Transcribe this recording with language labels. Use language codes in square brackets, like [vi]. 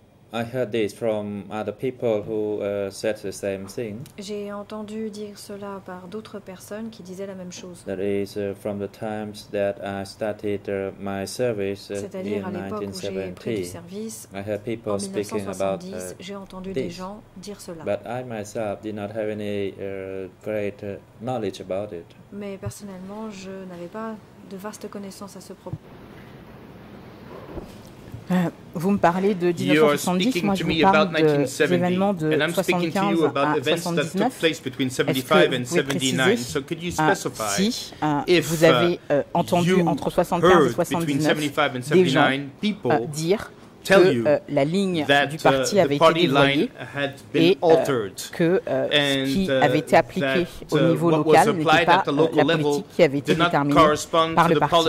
[en] I heard this from other people who said the same thing. [fr] J'ai entendu dire cela par d'autres personnes qui disaient la même chose. [en] That is from the times that I started my service in 1970. I heard people speaking about this. [fr] J'ai entendu des gens dire cela. [en] But I myself did not have any great knowledge about it. [fr] Mais personnellement, je n'avais pas de vastes connaissances à ce propos. Vous me parlez de 1970, moi je vous parle des événements de 1975 à 1979. Est-ce que vous pouvez préciser si vous avez entendu entre 1975 et 1979 des gens dire que la ligne du parti avait été dévoyée et que ce qui avait été appliqué au niveau local n'était pas la politique qui avait été déterminée par le parti?